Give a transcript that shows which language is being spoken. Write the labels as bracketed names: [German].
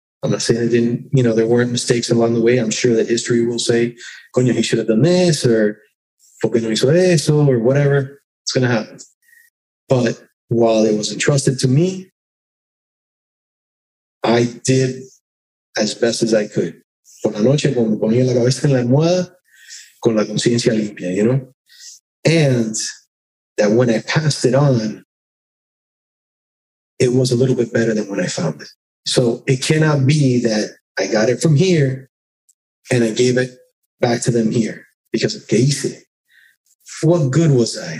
[English] I'm not saying I didn't, you know, there weren't mistakes along the way. I'm sure that history will say, coño, he should have done this, or [Spanish] por qué no hizo eso, [English] or whatever. It's going to happen. But while it was entrusted to me, I did as best as I could. [Spanish] Por la noche, cuando ponía la cabeza en la almohada, con la conciencia limpia, [English] you know? And that when I passed it on, it was a little bit better than when I found it. So it cannot be that I got it from here and I gave it back to them here because of Casey. What good was I?